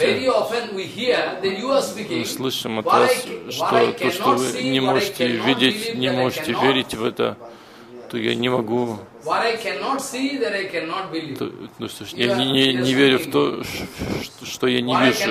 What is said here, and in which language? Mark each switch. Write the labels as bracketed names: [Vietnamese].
[English] very often we hear that you are speaking. [Russian] Мы слышим от вас, что то, что вы не можете видеть, не можете верить в это, то я не могу. [English] What I cannot see that I cannot believe. [Russian] Ну что ж, я не верю в то, что я не вижу.